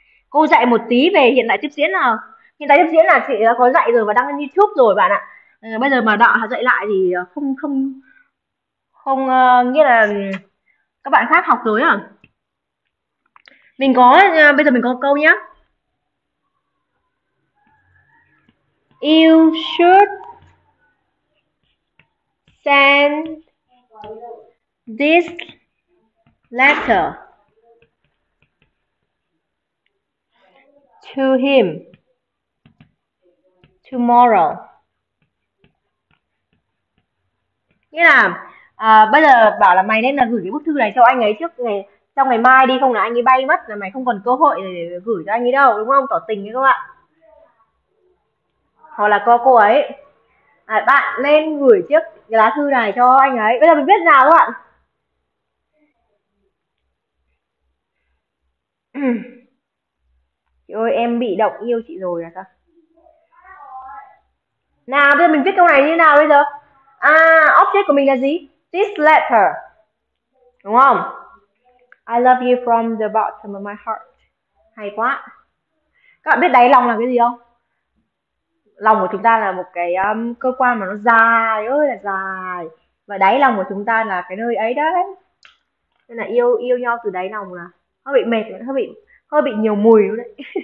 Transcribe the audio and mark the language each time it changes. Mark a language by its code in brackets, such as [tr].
[vi] Cô dạy một tí về hiện tại tiếp diễn nào. Hiện tại tiếp diễn là chị đã có dạy rồi và đăng lên YouTube rồi bạn ạ. Bây giờ mà đạo họ dạy lại thì không không không nghĩa là các bạn khác học rồi à. Mình có bây giờ mình có câu nhá. [en] You should send this letter to him tomorrow. [vi] Nghĩa là bây giờ bảo là mày nên là gửi cái bức thư này cho anh ấy trước ngày, trong ngày mai đi, không là anh ấy bay mất, là mày không còn cơ hội để gửi cho anh ấy đâu, đúng không? Tỏ tình đấy các bạn. Hoặc là có cô ấy bạn nên gửi trước cái lá thư này cho anh ấy. Bây giờ mình biết nào các bạn? Chị ơi em bị động yêu chị rồi là sao? Nào bây giờ mình viết câu này như nào bây giờ? À, object của mình là gì? [en] This letter. [vi] Đúng không? [en] I love you from the bottom of my heart. [vi] Hay quá. Các bạn biết đáy lòng là cái gì không? Lòng của chúng ta là một cái cơ quan mà nó dài ơi là dài. Và đáy lòng của chúng ta là cái nơi ấy đấy. Nên là yêu yêu nhau từ đáy lòng là hơi bị mệt, hơi bị nhiều mùi luôn đấy.